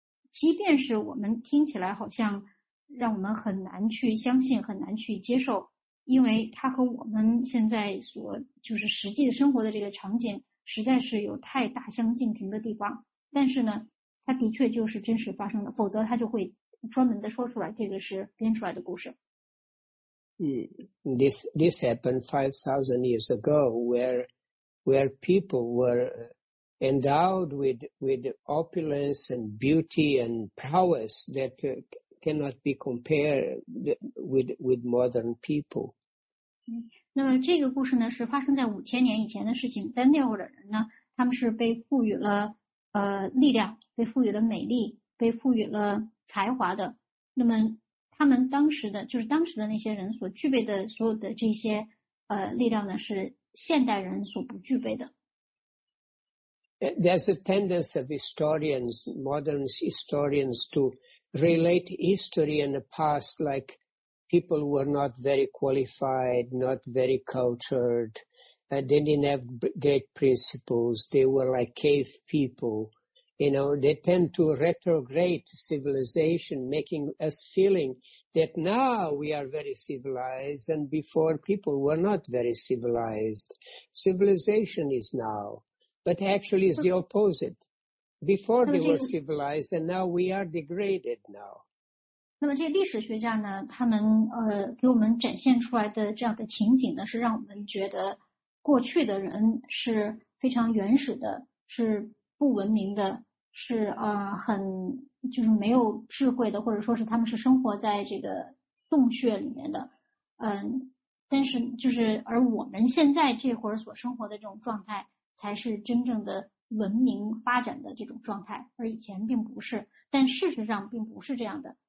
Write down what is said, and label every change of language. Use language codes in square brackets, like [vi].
[zh] 即便是我们听起来好像让我们很难去相信很难去接受因为它和我们现在所就是实际的生活的这个场景实在是有太大相径庭的地方。但是呢它的确就是真实发生的否则它就会专门的说出来这个是编出来的故事。 [en] This happened 5,000 years ago where people were endowed with opulence and beauty and prowess that cannot be compared with modern people. [zh] 那么这个故事呢是发生在5000年以前的事情在那会儿的人呢他们是被赋予了力量被赋予了美丽被赋予了才华的那么他们当时的就是当时的那些人所具备的所有的这些力量呢是现代人所不具备的。 [en] There's a tendency of historians, modern historians to relate history and the past like people were not very qualified, not very cultured, and they didn't have great principles. They were like cave people. You know, they tend to retrograde civilization, making us feeling that now we are very civilized, and before people were not very civilized. Civilization is now, but actually it's the opposite. Before they were civilized, and now we are degraded now. [zh] 那么这些历史学家呢，他们给我们展现出来的这样的情景呢，是让我们觉得过去的人是非常原始的，是不文明的，是很就是没有智慧的，或者说是他们是生活在这个洞穴里面的，但是就是而我们现在这会儿所生活的这种状态，才是真正的文明发展的这种状态，而以前并不是，但事实上并不是这样的。